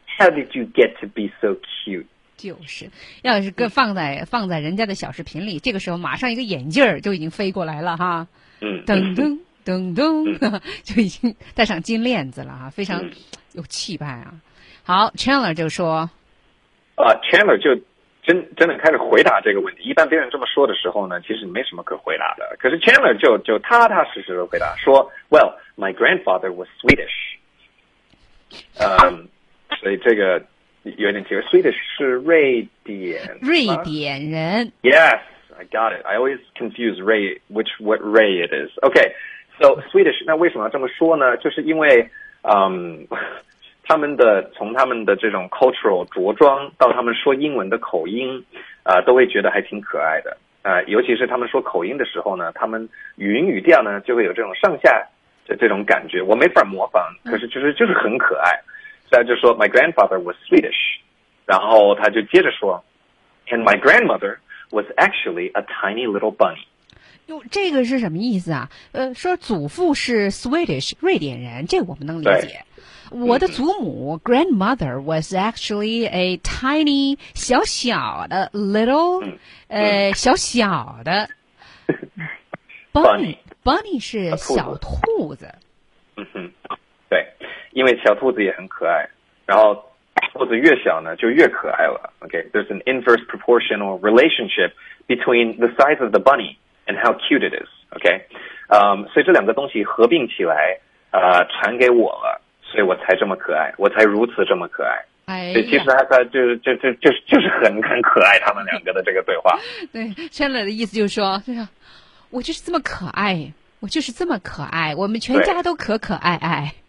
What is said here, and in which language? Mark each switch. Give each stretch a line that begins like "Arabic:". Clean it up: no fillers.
English: ？How did you get to be so cute？
Chinese: 就是，要是跟放在人家的小视频里，这个时候马上一个眼镜就已经飞过来了哈，噔噔。咚咚，就已经戴上金链子了啊，非常有气派啊。好 ，Chandler 就说， Chandler 就真的开始回答这个问题。一般别人这么说的时候呢，其实没什么可回答的。可是 Chandler 就踏踏实实的回答说 ，
English: Well, my grandfather was Swedish。
Chinese: 所以这个有点奇怪 ，Swedish 是瑞典人。
English: Yes, I got it. I always confuse Ray, which what Ray it is.
Chinese: Okay. So Swedish， 那为什么要这么说呢？就是因为，他们的从他们的这种 cultural 着装到他们说英文的口音，都会觉得还挺可爱的。尤其是他们说口音的时候呢，他们语音语调呢就会有这种上下的这种感觉，我没法模仿，可是就是很可爱。所以就说
English: My grandfather was Swedish，
Chinese: 然后他就接着说 ，
English: And my grandmother was actually a tiny little bunny。
Chinese: 哟，这个是什么意思啊？说祖父是 Swedish 瑞典人，这我们能理解。我的祖母
English: grandmother was actually a tiny
Chinese: 小小的 little 小小的 bunny 是小兔子。对，因为小兔子也很可爱，然后兔子越小呢就越可爱了。
English: Okay, there's an inverse proportional relationship between the size of the bunny. And how cute it is, okay?
Chinese: 所以这两个东西合并起来，传给我了，所以我才这么可爱，我才如此这么可爱。哎，所以其实他就是很可爱，他们两个的这个对话。对 ，Chandler 的意思就是说，我就是这么可爱，我就是这么可爱，我们全家都可爱爱。